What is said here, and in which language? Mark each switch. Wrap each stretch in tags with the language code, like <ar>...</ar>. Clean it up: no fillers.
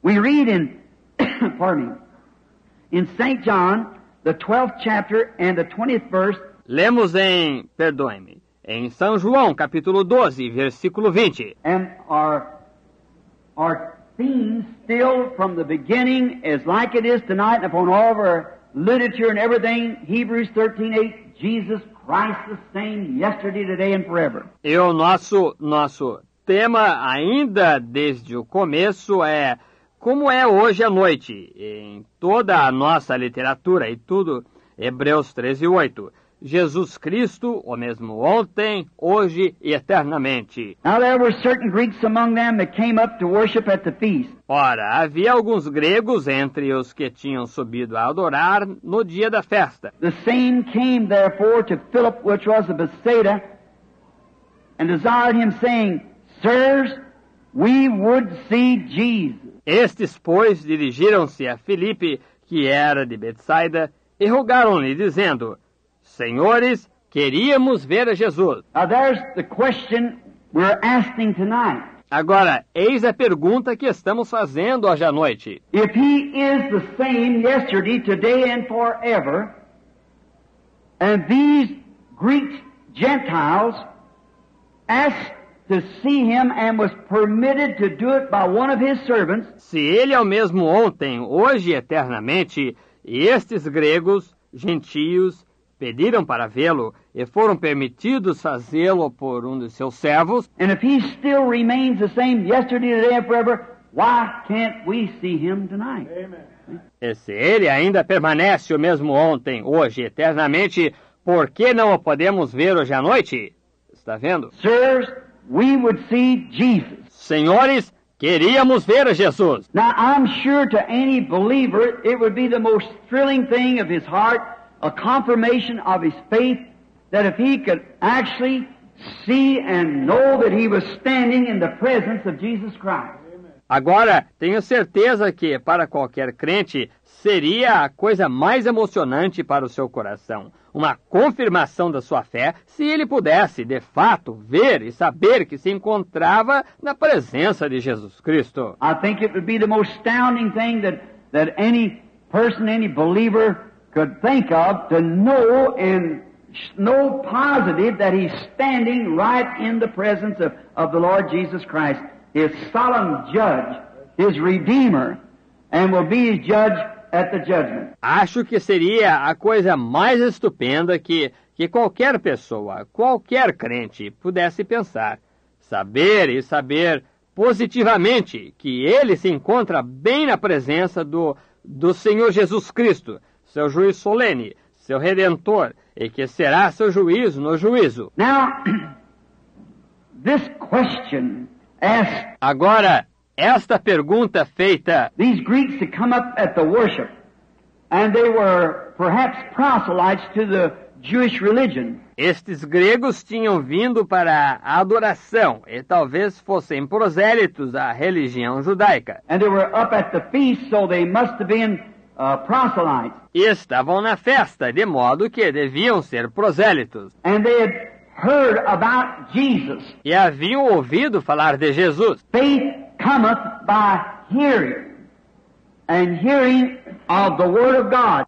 <en>We read in... pardon me. In St. John, the 12th chapter and the 20th verse.</en> <pt>Lemos em, perdoe-me, em São João, capítulo 12, versículo 20.</pt> <en>And our theme still from the beginning is like it is tonight upon all of our literature and everything, Hebrews 13:8, Jesus Christ the same yesterday, today and forever.</en> <pt>E o nosso tema ainda desde o começo é como é hoje à noite, em toda a nossa literatura e tudo, Hebreus 13, 8. Jesus Cristo, o mesmo ontem, hoje e eternamente.</pt> <en>Now there were certain Greeks among them that came up to worship at the feast.</en> <pt>Ora, havia alguns gregos entre os que tinham subido a adorar no dia da festa.</pt> <en>The same came therefore to Philip, which was of Bethsaida, and desired him, saying, Sirs, we would see Jesus.</en> <pt>Estes, pois, dirigiram-se a Filipe, que era de Betsaida, e rogaram-lhe, dizendo, Senhores, queríamos ver a Jesus.</pt> <en>Now, there's the question we're asking tonight.</en> <pt>Agora, eis a pergunta que estamos fazendo hoje à noite.</pt> <en>If he is the same yesterday, today and forever, and these Greek Gentiles asked to see him and was permitted to do it by one of his servants.</en> <pt>Se ele é o mesmo ontem, hoje e eternamente, e estes gregos, gentios, pediram para vê-lo e foram permitidos fazê-lo por um de seus servos.</pt> <en>And if he still remains the same yesterday, today and forever, why can't we see him tonight? Amen.</en> <pt>E se ele ainda permanece o mesmo ontem, hoje e eternamente, por que não o podemos ver hoje à noite? Está vendo?</pt> <en>Sirs, we would see Jesus.</en> <pt>Senhores, queríamos ver a Jesus.</pt> <en>Now, I'm sure to any believer, it would be the most thrilling thing of his heart, a confirmation of his faith, that if he could actually see and know that he was standing in the presence of Jesus Christ.</en> <pt>Agora, tenho certeza que, para qualquer crente, seria a coisa mais emocionante para o seu coração, uma confirmação da sua fé, se ele pudesse, de fato, ver e saber que se encontrava na presença de Jesus Cristo.</pt> <en>I think it would be the most astounding thing that any person, any believer could think of, to know and know positive that he's standing right in the presence of the Lord Jesus Christ. His solemn judge, his redeemer, and will be his judge at the judgment.</en> <pt>Acho que seria a coisa mais estupenda que qualquer pessoa, qualquer crente, pudesse pensar. Saber e saber positivamente que ele se encontra bem na presença do Senhor Jesus Cristo, seu juiz solene, seu redentor, e que será seu juízo no juízo.</pt> <en>Now, this question.</en> <pt>Agora, esta pergunta feita.</pt> <en>These Greeks had come up at the worship, and they were perhaps proselytes to the Jewish religion.</en> <pt>Estes gregos tinham vindo para a adoração, e talvez fossem prosélitos à religião judaica.</pt> <en>And they were up at the feast, so they must have been proselytes.</en> <pt>E estavam na festa, de modo que deviam ser prosélitos.</pt> <en>And they had heard about Jesus.</en> <pt>E haviam ouvido falar de Jesus.</pt> <en>Faith cometh by hearing, and hearing of the word of God.</en>